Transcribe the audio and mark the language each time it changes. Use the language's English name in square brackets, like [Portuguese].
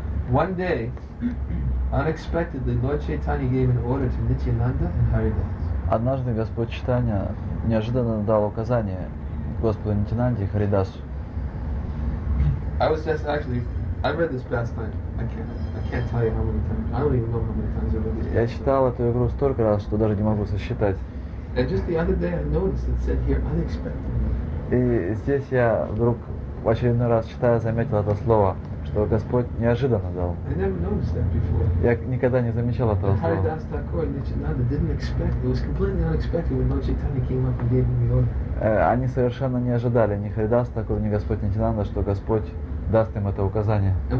[English] One day, unexpectedly, Lord Chaitanya gave an order to Nityananda and Haridas. [Russian] Однажды Господь Чайтанья неожиданно дал указание Господу Нитянанде и Харидасу. [English] I was just actually, I read this past time. I can't tell you how many times. I don't even know how many times I read this. [Russian] Я читал эту игру столько раз, что даже не могу сосчитать. [English] And just the other day, I noticed it said here unexpectedly. [Russian] И здесь я вдруг в очередной раз читая заметил это слово. Что Господь неожиданно дал. Я никогда не замечал этого слова. Они совершенно не ожидали ни Харидас Такур, ни Господь Нитянанда, что Господь даст им это указание.